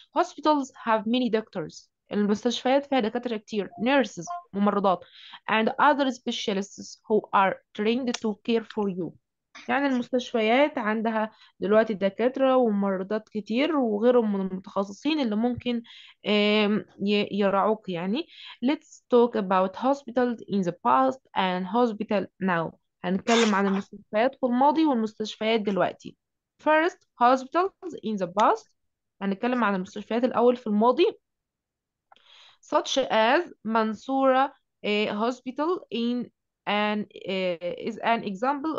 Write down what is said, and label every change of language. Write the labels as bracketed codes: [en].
[en] hospitals have many doctors [ar] المستشفيات فيها دكاترة كتير [en] nurses ممرضات and other specialists who are trained to care for you. [ar] يعني المستشفيات عندها دلوقتي دكاترة وممرضات كتير وغيرهم من المتخصصين اللي ممكن يراعوك. يعني [en] let's talk about hospitals in the past and hospital now. [ar] هنتكلم عن المستشفيات في الماضي والمستشفيات دلوقتي. [en] first hospitals in the past [ar] هنتكلم عن المستشفيات الأول في الماضي [en] such as Mansoura Hospital in an is an example.